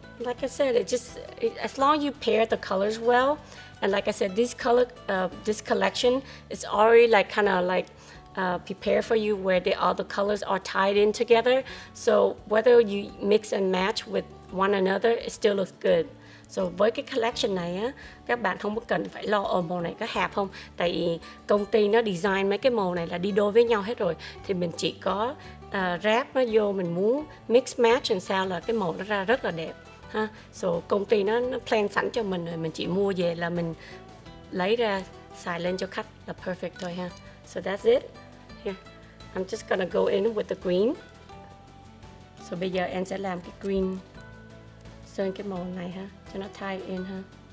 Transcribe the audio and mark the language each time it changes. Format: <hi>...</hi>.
<en>Like I said, as long as you pair the colors well, and like I said, this collection is already like kind of like prepared for you, where all the colors are tied in together. So whether you mix and match with one another, it still looks good.</en> <vi>So với cái collection này á, các bạn không cần phải lo ở màu này có hẹp không, tại vì công ty nó design mấy cái màu này là đi đôi với nhau hết rồi, thì mình chỉ có ráp nó vô, mình muốn mix match làm sao là cái màu nó ra rất là đẹp ha. So công ty nó plan sẵn cho mình rồi, mình chỉ mua về là mình lấy ra xài lên cho khách là perfect thôi ha.</vi> <en>So that's it. Here, I'm just gonna go in with the green.</en> <vi>So bây giờ em sẽ làm cái green, sơn cái màu này ha, cho nó tie in ha.</vi>